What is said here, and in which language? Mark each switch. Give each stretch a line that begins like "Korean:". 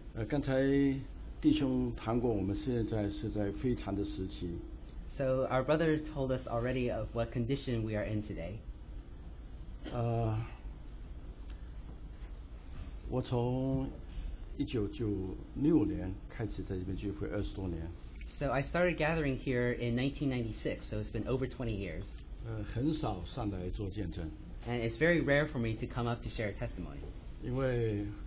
Chinese: 刚才弟兄谈过，我们现在是在非常的时期。
English: So our brother told us already of what condition we are in today.
Chinese: 我从1996年开始在这边聚会，20多年。
English: So I started gathering here in 1996, so it's been over 20 years.
Chinese: 很少上来做见证。
English: And it's very rare for me to come up to share a testimony.